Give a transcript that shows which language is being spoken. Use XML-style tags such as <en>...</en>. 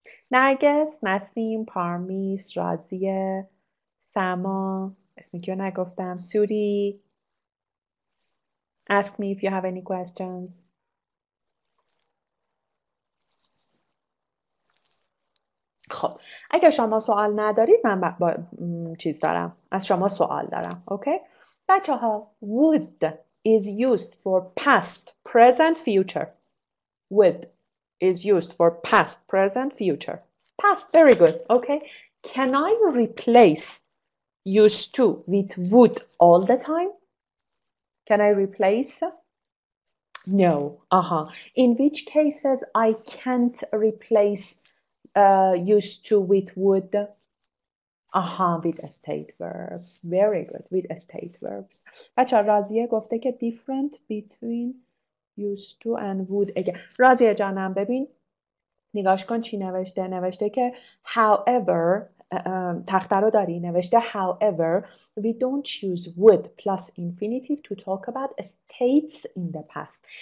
<fa>نرگس، نسیم، پارمیس، رازیه، سما، اسمی کیو نگفتم، سوری.</fa> <en>Ask me if you have any questions.</en> <fa>خب اگر شما سوال ندارید، من با چیز دارم، از شما سوال دارم.</fa> <en>Okay okay?</en> <fa>بچه ها</fa> <en>would is used for past, present, future. Would is used for past, present, future. Past, very good. Okay. Can I replace used to with would all the time? Can I replace? No. Uh-huh. In which cases I can't replace used to with would? آها with state verbs, very good with state verbs.</en> <fa>بچه رازیه گفته که</fa> <en>different between used to and would again.</en> <fa>رازیه جانم ببین نگاش کن چی نوشته. نوشته که however تخته رو داری، نوشته</fa> <en>however we don't use would plus infinitive to talk about states in the past.</en>